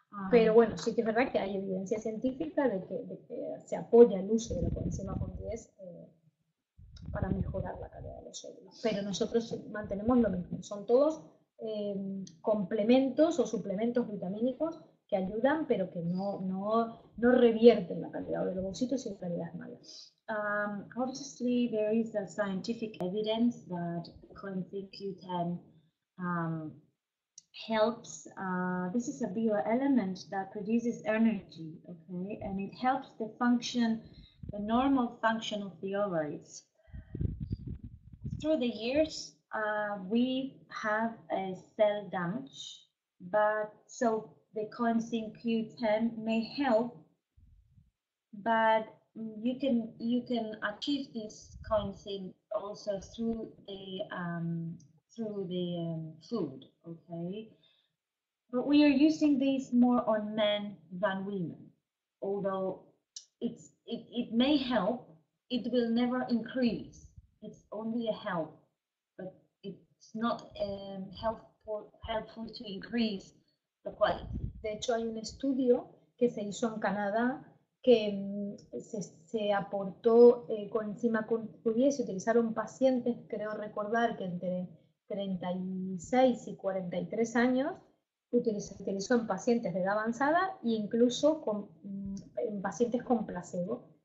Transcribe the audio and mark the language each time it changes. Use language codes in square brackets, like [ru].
[es] Pero bueno, sí que es verdad que hay evidencia científica de que se apoya el uso de la coenzima Q10 para mejorar la calidad de los óvulos. Pero nosotros mantenemos lo mismo. Son todos complementos o suplementos vitamínicos que ayudan, pero que no revierten la calidad del ovocito si en realidad es mala. [en] Obviously, there is a scientific evidence that coenzyme Q10 helps. This is a bioelement that produces energy, okay, and it helps the function, the normal function of the ovaries. Through the years, we have a cell damage, but so the coenzyme Q10 may help, but you can achieve this coenzyme also through the food, okay? But we are using this more on men than women. Although it may help, it will never increase. It's only a help, but it's not helpful to increase the quality. [es] De hecho, hay un estudio que se hizo en Canadá que se aportó coenzima Q10, se utilizaron pacientes, creo recordar, que entre 36 y 43 años, utilizó en pacientes de edad avanzada e incluso en pacientes con placebo.